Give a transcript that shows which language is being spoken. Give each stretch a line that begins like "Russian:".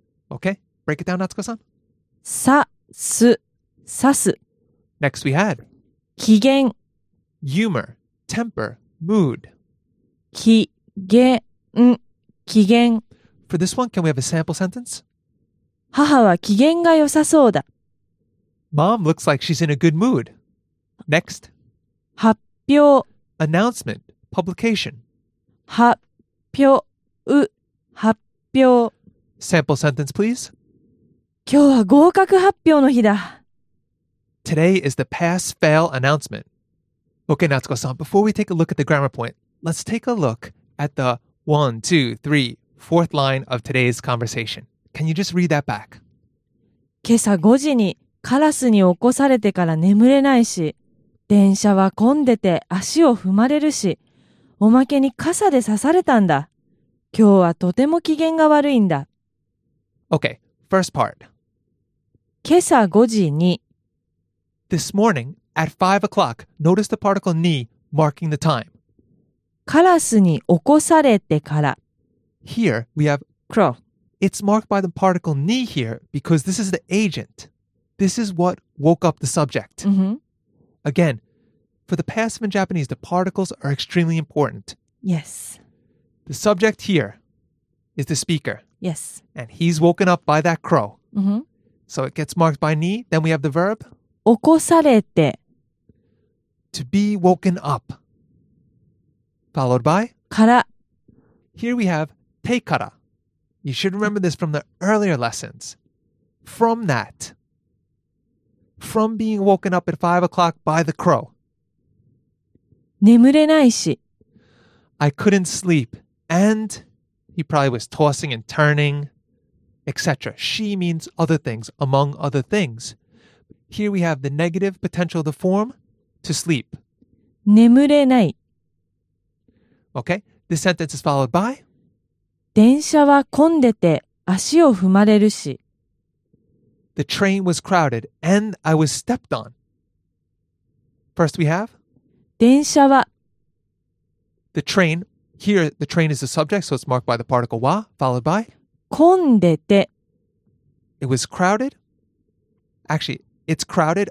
English: Okay, break it down, Natsuko-san.
Japanese: Sasu, sasu.
English: Next we had.
Japanese: Kigen.
English: Humor, temper, mood.
Japanese: Kigen, kigen.
English: For this one, can we have a sample sentence?
Japanese: 母は機嫌が良さそうだ。
English: Mom looks like she's in a good mood. Next.
Japanese: 発表.
English: Announcement. Publication.
Japanese: 発表う発表.
English: Sample sentence, please.
Japanese: 今日は合格発表の日だ。
English: Today is the pass-fail announcement. Okay, Natsuko-san, before we take a look at the grammar point, let's take a look at the 1, 2, 3, 4th line of today's conversation. Can you just read that back?
Japanese: 今朝5時にカラスに起こされてから眠れないし、電車は混んでて足を踏まれるし、おまけに傘で刺されたんだ。今日はとても機嫌が悪いんだ。
English: Okay, first part.
Japanese: 今朝5時に。
English: This morning, at 5 o'clock, notice the particle に marking the time.
Japanese: カラスに起こされてから。
English: Here, we have crow. It's marked by the particle ni here because this is the agent. This is what woke up the subject. Mm-hmm. Again, for the passive in Japanese, the particles are extremely important. Yes. The subject here is the speaker. Yes. And he's woken up by that crow. Mm-hmm. So it gets marked by ni. Then we have the verb.
Japanese: 起こされて.
English: To be woken up. Followed by.
Japanese: から.
English: Here we have. Te kara. You should remember this from the earlier lessons. From that. From being woken up at 5 o'clock by the crow.
Japanese: 眠れないし.
English: I couldn't sleep. And he probably was tossing and turning, etc. She means other things, among other things. Here we have the negative potential of the form to sleep.
Japanese: 眠れない.
English: Okay. This sentence is followed by.
Japanese: 電車は混んでて足を踏まれるし。
English: The train was crowded and I was stepped on. First we have.
Japanese: 電車は。
English: The train. Here the train is the subject, so it's marked by the particle wa, followed by.
Japanese: 混んでて。
English: It was crowded. Actually, it's crowded.